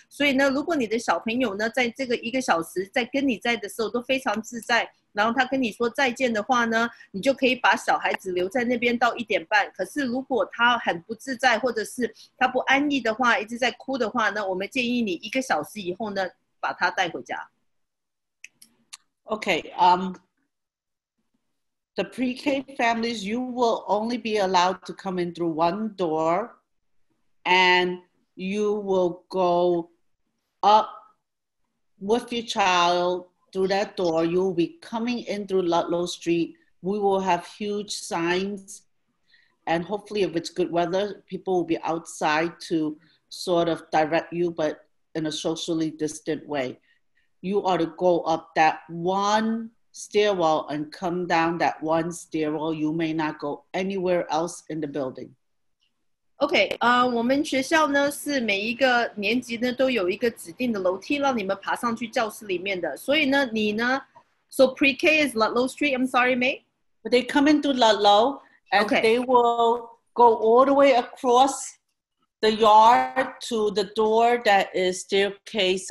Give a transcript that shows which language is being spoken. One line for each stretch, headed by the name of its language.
Chinese: 所以呢，如果你的小朋友呢在这个一个小时在跟你在的时候都非常自在，然后他跟你说再见的话呢，你就可以把小孩子留在那边到一点半。可是如果他很不自在，或者是他不安逸的话，一直在哭的话呢，我们建议你一个小时以后呢把他带回家。
English: Okay, the pre-K families, you will only be allowed to come in through one door, and you will go up with your child through that door. You'll be coming in through Ludlow Street. We will have huge signs, and hopefully if it's good weather, people will be outside to sort of direct you, but in a socially distant way. You are to go up that one stairwell and come down that one stairwell. You may not go anywhere else in the building.
Chinese: Okay, 我们学校呢是每一个年级呢都有一个指定的楼梯让你们爬上去教室里面的。所以呢，你呢
English: ，So pre-K is Ludlow Street. I'm sorry, mate. But they come into Ludlow and they will go all the way across the yard to the door that is staircase.